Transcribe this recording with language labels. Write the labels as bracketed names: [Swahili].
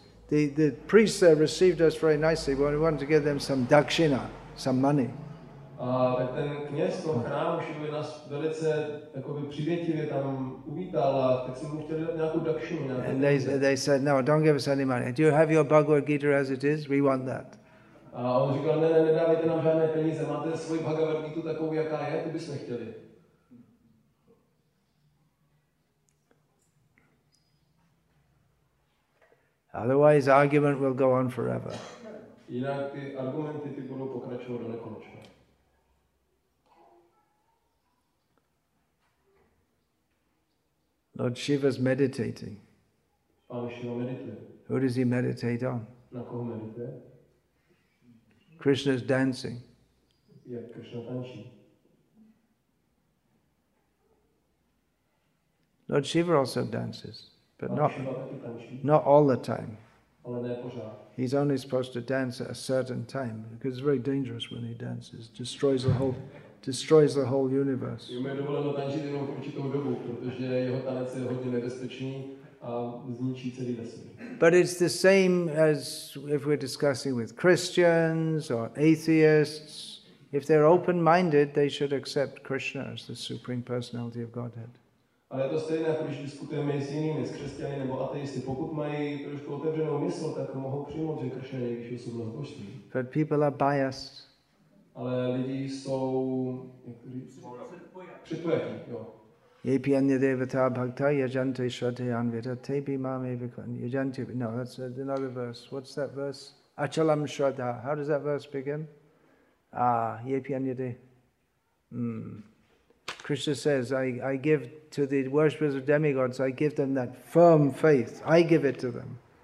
[English] The priests there received us very nicely. We wanted to give them some dakshina, some money. [Czech] Ten kněz toho chrámu Shivy nás velice takoby přivětivě tam uvítal, a tak jsme mu chtěli dát nějakou dakshinu. [English] And they said, no, don't give us any money. Do you have your Bhagavad Gita as it is? We want that. [Czech] A on říkal, ne, nedávejte nám žádné peníze. Máte svoji Bhagavad Gita takovou, jaká je? To bychom chtěli. [English] Otherwise, argument will go on forever. [Czech] Jinak ty argumenty ty budou pokračovat do nekonečna. [English] Lord Shiva's meditating. [Czech] Pán Shiva medituje. [English] Who does he meditate on? [Czech] Na koho medituje? [English] Krishna's dancing. [Czech] Jak Krishna tančí. [English] Lord Shiva also dances. But not all the time. He's only supposed to dance at a certain time because it's very dangerous when he dances. Destroys the whole universe. [Czech] Je mu dovoleno tančit jenom v určitou dobu, protože jeho tanec je hodně nebezpečný a zničí celý vesmír. [English] But it's the same as if we're discussing with Christians or atheists. If they're open-minded, they should accept Krishna as the Supreme Personality of Godhead. [Czech] Ale je to stejné, jako když diskutujeme s jinými, s křesťany nebo ateisty. Pokud mají trošku otevřenou mysl, tak mohou přijmout, že Krishna je nejvyšší osobnost božství. [English] But people are biased. [Czech] Ale lidi jsou, jak to říct, předpojatí, jo. [Sanskrit] Yepyanya devata bhakta yajante shradhayan vidate bhimame vikvan. [English] Yajante, no, that's another verse. What's that verse? [Sanskrit] Achalam shraddha. [English] How does that verse begin? [Sanskrit] Yepyanya de. [English] Krishna says, I give to the worshippers of demigods, I give them that firm faith. I give it to them.